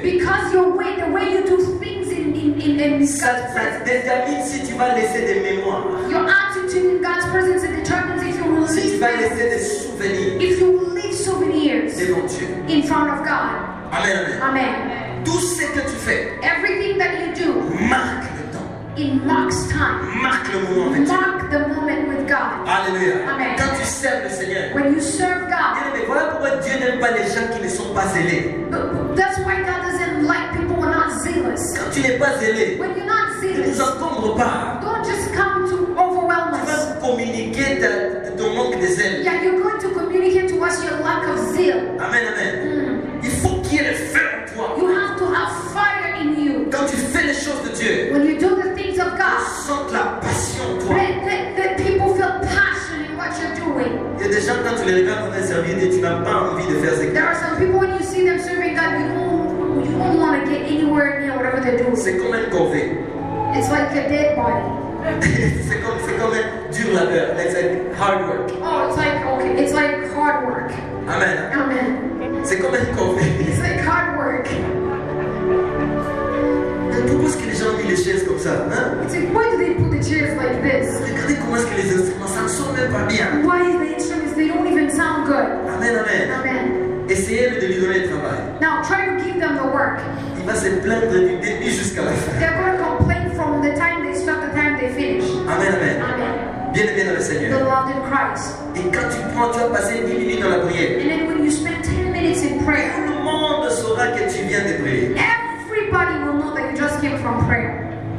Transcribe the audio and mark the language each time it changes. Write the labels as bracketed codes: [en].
[en] Because your way, the way you do things in God's presence. [fr] Ça détermine si tu vas laisser des mémoires. [en] Your attitude in God's presence determines if you will leave. [fr] Si tu vas laisser des souvenirs. [en] If you will leave souvenirs. [fr] Devant Dieu. [en] In front of God. Amen. Amen. Amen. [fr] Tout ce que tu fais. [en] Everything that you do. [fr] Marque le temps. [en] It marks time. [fr] Marque le moment avec [en] Dieu. Mark the moment with God. Alléluia. Amen. [fr] Quand tu sers le Seigneur. [en] When you serve God. [fr] Mais voilà pourquoi Dieu n'aime pas les gens qui ne sont pas zélés. [en] That's why God doesn't like people who are not zealous. [fr] Quand tu n'es pas zélé. [en] When you're not zealous. [fr] Ne nous encombre pas. [en] Don't just come to overwhelm us. [fr] Tu vas communiquer ton manque de zèle. [en] Yeah, you're going to communicate to us your lack of zeal. Amen, amen. [fr] Il faut qu'il y ait le feu en toi. [en] You have to have fire in you. [fr] Quand tu fais les choses de Dieu. [en] When you do the things of God. [fr] Sens la passion en toi. [en] The people feel passion in what you're doing. [fr] Il y a des gens quand tu les regardes en train de servir Dieu, tu n'as pas envie de faire ce que. [en] There are some people when you see them serving God, you don't want to get anywhere near whatever they're doing. [fr] C'est comme un corvée. [en] It's like a dead body. [fr] c'est comme un dur labeur. [en] It's like hard work. Oh, it's like okay. It's like hard work. Amen. Amen. [fr] C'est comme un corvée. [en] It's like hard work. [fr] Mais pourquoi est-ce que les gens ont mis les chaises comme ça, hein? [en] It's like, why do they put the chairs like this? [fr] Regardez comment est-ce que les instruments, ça ne sonne même pas bien. [en] Why the instruments, they don't even sound good. Amen, amen. Amen. [fr] Essayez de lui donner le travail. [en] Now, try to give them the work. [fr] Il va se plaindre du début jusqu'à la fin. [en] They're going to complain from the time they start, the time they finish. Amen, amen. Amen. [fr] Bien-aimé dans le Seigneur. [en] The Lord in Christ. [fr] Et quand tu prends, tu vas passer 10 minutes dans la prière. [en] And then when you spend 10 minutes in prayer. [fr] Tout le monde saura que tu viens de prier. [en] Everybody will know that you just came from prayer.